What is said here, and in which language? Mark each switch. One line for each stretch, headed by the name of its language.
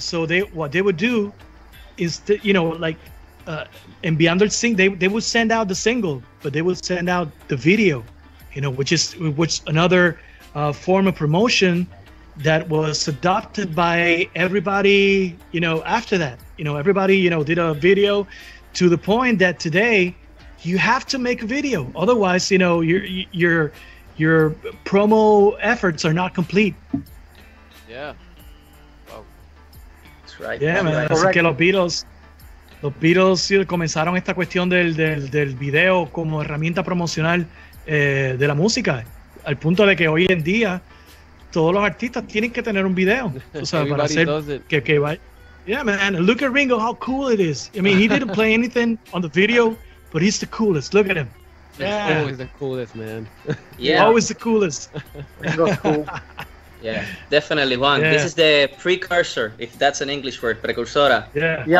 English: So what they would do is,
Spanish: enviando el single,
English: they would send out the single, but they would send out the video, you know, which is another form of promotion that was adopted by everybody, you know, after that. You know, everybody, you know, did a video to the point that today, you have to make a video, otherwise, you know, your promo efforts are not complete. Yeah. Wow. That's right. Yeah, man. Right.
Spanish: Así que los Beatles sí, comenzaron esta cuestión del video como herramienta promocional de la música, al punto de que hoy en día todos los artistas tienen que tener un video, o sea, para hacer que vaya.
English: Yeah, man. Look at Ringo, how cool it is. I mean, he didn't play anything on the video. But he's the coolest. Look at him. Yeah. He's always the coolest, man. Yeah. Always the coolest. Yeah, definitely, Juan. Yeah. This is the precursor, if that's an English word, precursora, yeah.